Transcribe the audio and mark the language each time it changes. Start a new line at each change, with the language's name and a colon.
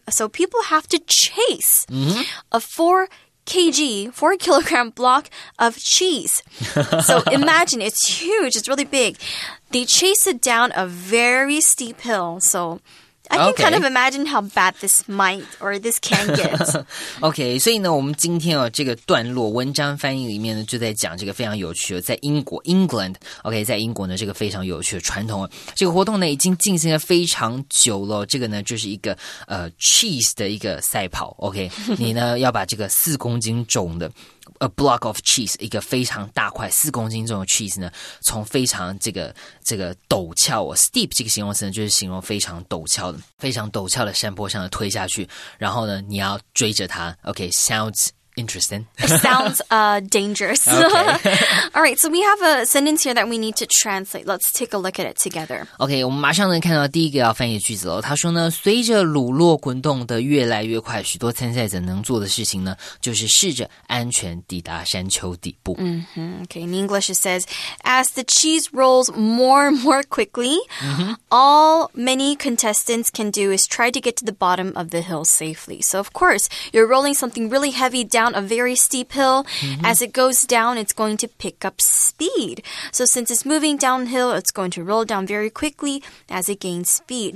English: So people have to chase a 4 kilogram block of cheese. So imagine, it's huge, it's really big. They chase it down a very steep hill. So I can kind of imagine how bad this might or this can get.
Chinese: Okay, 所以呢，我们今天哦，这个段落文章翻译里面呢，就在讲这个非常有趣的，在英国 England， OK， 在英国呢，这个非常有趣的传统，这个活动呢已经进行了非常久了。这个呢就是一个cheese 的一个赛跑。 OK， 你呢要把这个4公斤重的
English: a block of cheese，
Chinese: 一个非常大块4公斤重的 cheese 呢，从非常这个陡峭 steep 这个形容词呢，就是形容非常陡峭的山坡上的推下去，然后呢你要追着它。
English: OK， sounds interesting. It sounds dangerous. Okay. All right, so we have a sentence here that we need to translate. Let's take a look at it together.
Chinese: Okay, 我们马上能看到第一个要翻译的句子了。他说呢，随着鲁洛滚动的越来越快，许多参赛者能做的事情呢，就是试着安全抵达山丘底部。
English: Okay, in English it says, as the cheese rolls more and more quickly, all many contestants can do is try to get to the bottom of the hill safely. So of course, you're rolling something really heavy down a very steep hill. As it goes down, it's going to pick up speed. So since it's moving downhill, it's going to roll down very quickly as it gains speed.